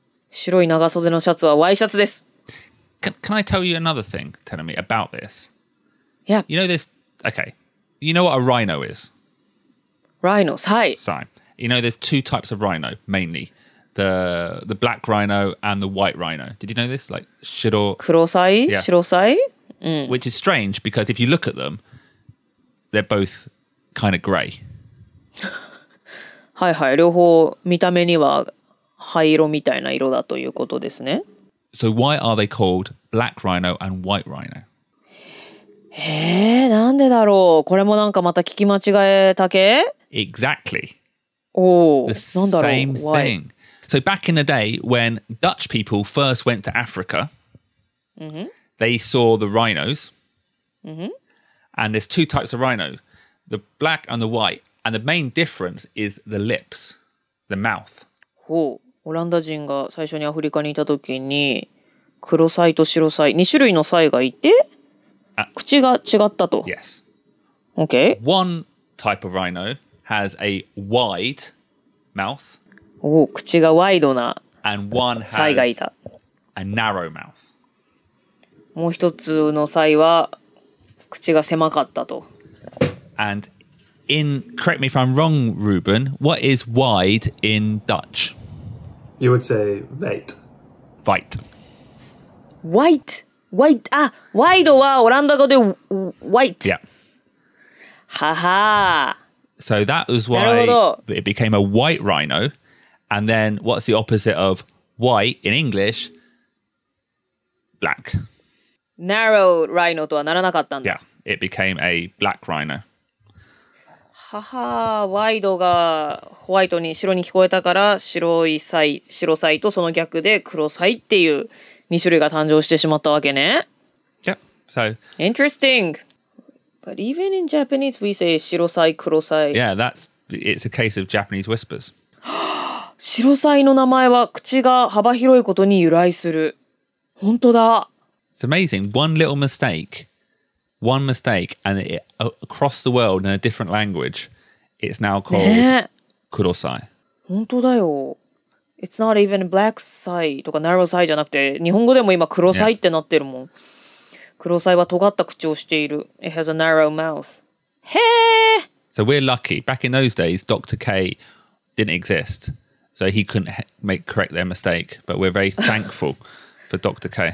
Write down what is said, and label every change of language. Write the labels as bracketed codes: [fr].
[ja] 白い長袖のシャツはワイシャツです。 [en] Can I tell you another thing, Tenami, about this? Yeah. You know this? Okay. You know what a rhino is? Rhino, sai. [ja] Sai. [en] You know there's two types of rhino, mainly. The black rhino and the white rhino. Did you know this? Like, shiro... Kurosai? Yeah. Shirosai? Which is strange, because if you look at them, they're both kind of grey. [ja] はいはい、両方見た目には灰色みたいな色だということですね。 [en] So why are they called black rhino and white rhino? [ja] なんでだろう。これもなんかまた聞き間違えたけ。 [en] Exactly. Oh, the same thing. So back in the day when Dutch people first went to Africa,、 mm-hmm. they saw the rhinos,、 mm-hmm. and there's two types of rhino, the black and the white, and the main difference is the lips, the mouth. [ja] オランダ人が最初にアフリカにいた時に黒サイと白サイ2種類のサイがいて口が違ったと。 [en] Yes. Okay. One type of rhino has a wide mouth. [ja] お、口がワイドなサイがいた。 [en] A narrow mouth. [ja] もう一つのサイは口が狭かったと。 [en] And in, correct me if I'm wrong, Ruben, what is wide in Dutch? You would say white. White. White. White. Ah, white [ja] はオランダ語で [en] white. Yeah. Ha ha. So that was why it became a white rhino. And then what's the opposite of white in English? Black. Narrow rhino [ja] とはならなかったんだ。 [en] Yeah. It became a black rhino. [ja] はは、ワイドがホワイトに白に聞こえたから白いサイ、白サイとその逆で黒サイっていう2種類が誕生してしまったわけね。 [en] Yep, so... Interesting! But even in Japanese, we say 白サイ、黒サイ。 Yeah, that's... It's a case of Japanese whispers. [ja] 白サイの名前は口が幅広いことに由来する。本当だ。 [en] It's amazing. One little mistake... One mistake, and it, across the world in a different language, it's now called Kurosai. [ja] 本当だよ。 [en] It's not even black sai [ja] とか [en] narrow sai [ja] じゃなくて、日本語でも今黒サイってなってるもん。黒サイは尖った口をしている。 [en] It has a narrow mouth. へぇ! So we're lucky. Back in those days, Dr. K didn't exist. So he couldn't correct their mistake. But we're very thankful for Dr. K.